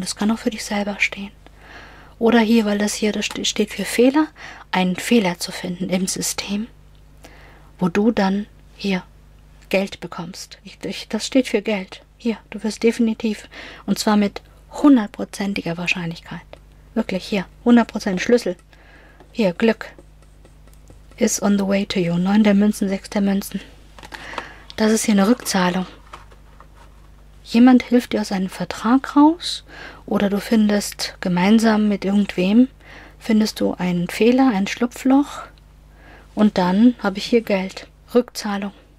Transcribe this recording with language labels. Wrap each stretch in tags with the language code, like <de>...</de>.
<de>Das kann auch für dich selber stehen. Oder hier, weil das hier, das steht für Fehler, einen Fehler zu finden im System, wo du dann hier Geld bekommst. Das steht für Geld. Hier, du wirst definitiv, und zwar mit hundertprozentiger Wahrscheinlichkeit. Wirklich, hier, 100% Schlüssel. Hier, Glück</de> <en>is on the way to you.</en> <de>9 der Münzen, 6 der Münzen. Das ist hier eine Rückzahlung. Jemand hilft dir aus einem Vertrag raus oder du findest gemeinsam mit irgendwem, findest du einen Fehler, ein Schlupfloch und dann habe ich hier Geld, Rückzahlung.</de>